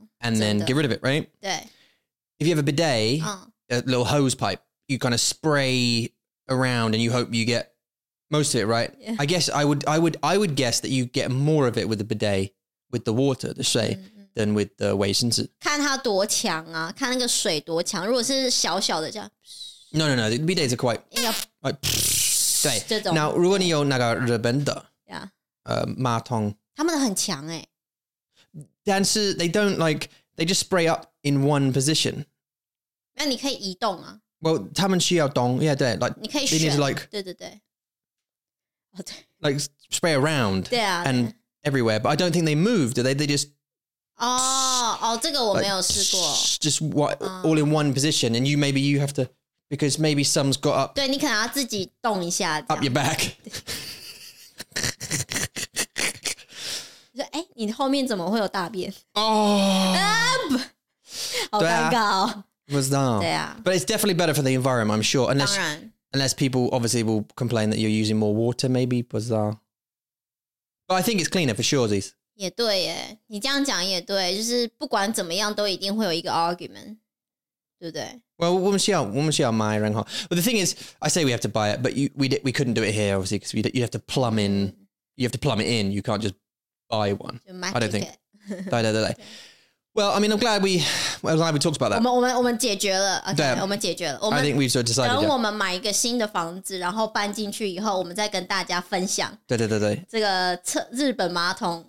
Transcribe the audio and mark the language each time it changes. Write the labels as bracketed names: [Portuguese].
[English] And then get rid of it, right? [Chinese] 对. [English] If you have a bidet,、a little hose pipe, you kind of spray around and you hope you get most of it, right? Yeah. I guess I would guess that you get more of it with the bidet, with the water, the [Chinese] 水、 [English] than with the [Chinese] 卫生纸。看它多强啊，看那个水多强。如果是小小的这样。 [English] No, the bidets are quite... [Chinese] 应该 like, 对。这种。 Now, 如果你有那个日本的、 [English] yeah. [Chinese] 马桶。他们的很强欸。但是 [English] they don't like, they just spray up in one position. [Chinese] 那你可以移动啊。 Well, 他们需要动 yeah, 对。Like, 你可以选。 [English] They need to like, [Chinese] 对对对。Oh, 对。 [English] Like, spray around. [Chinese] 对啊。 [English] And everywhere. But I don't think they move, do they? They just... [Chinese] 哦、oh, oh, 这个我没有试过。 [English] Like, just what, all in one position. And you have to, because maybe some's got up... [Chinese] 对你可能要自己动一下。 [English] Up your back. [Chinese] 哎，你后面怎么会有大便？哦、好尴尬哦！不知道。对啊 [English] ，But it's definitely better for the environment, I'm sure. Unless people obviously will complain that you're using more water, maybe [Chinese] 不知道。 [English] But I think it's cleaner for sure, these. [Chinese] 也对耶，你这样讲也对，就是不管怎么样，都一定会有一个 argument， 对不对 [English] ？Well, [Chinese] 我们需要买，然后 [English] ，But the thing is, I say we have to buy it, but we couldn't do it here, obviously, because you have to plumb it in. You can't just buy one. I don't think. [Chinese] 对对对对。 [English] Well, I mean, I'm glad we talked about that. [Chinese] 我们解决了。 [English] I think we've sort of decided. [Chinese] 等我们买一个新的房子，然后搬进去以后，我们再跟大家分享。对对对对，这个日本马桶。